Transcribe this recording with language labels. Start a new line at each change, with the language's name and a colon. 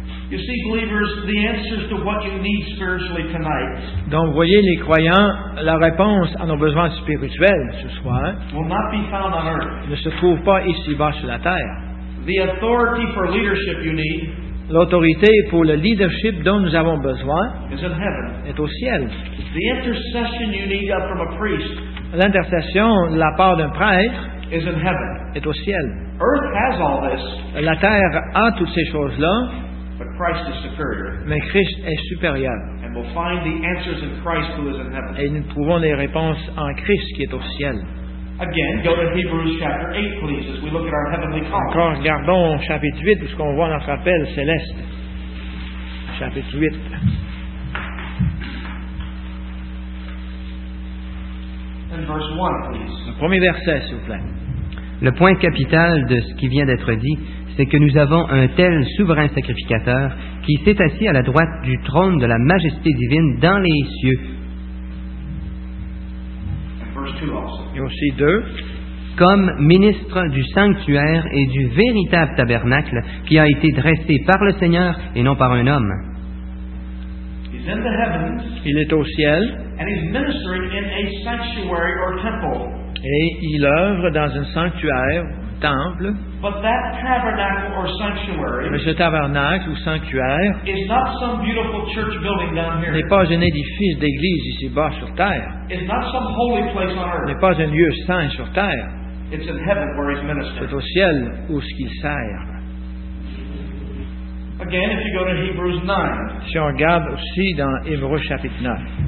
English: You see, believers, the answers to what you need spiritually tonight.
French: Donc, voyez les croyants, la réponse à nos besoins spirituels ce soir.
English: Will not be found on earth.
French: Ne se trouve pas ici-bas sur la terre.
English: The authority for leadership you need.
French: L'autorité pour le leadership dont nous avons besoin.
English: Is in heaven.
French: Est au ciel.
English: The intercession you need from a priest.
French: L'intercession de la part d'un prêtre.
English: Is in heaven.
French: Est au ciel.
English: Earth has all this.
French: La terre a toutes ces choses-là.
English: But Christ is superior.
French: Mais Christ est supérieur.
English: And we'll find the answers in Christ who is in heaven.
French: Et nous trouvons les réponses en Christ qui est au ciel.
English: Again, go to Hebrews chapter 8, please, as we look at our heavenly calling.
French: Encore, regardons chapitre 8, où ce qu'on voit notre appel céleste. Chapitre 8.
English: And verse 1,
French: le premier verset, s'il vous plaît. Le point capital de ce qui vient d'être dit, c'est que nous avons un tel souverain sacrificateur qui s'est assis à la droite du trône de la majesté divine dans les cieux.
English: Verse 2 also.
French: Et aussi 2. Comme ministre du sanctuaire et du véritable tabernacle qui a été dressé par le Seigneur et non par un homme.
English: He's in the heavens,
French: il est au ciel.
English: And he's ministering in a sanctuary or temple.
French: Et il œuvre dans un sanctuaire, un temple.
English: But that tabernacle or sanctuary,
French: mais ce tabernacle ou sanctuaire
English: is not some beautiful church building down here.
French: N'est pas un édifice d'église ici-bas sur terre.
English: It's not some holy place on earth.
French: N'est pas un lieu saint sur terre.
English: It's in heaven where he's ministering.
French: C'est au ciel où ce qu'il sert.
English: Again, if you go to Hebrews 9,
French: si on regarde aussi dans Hébreux chapitre 9,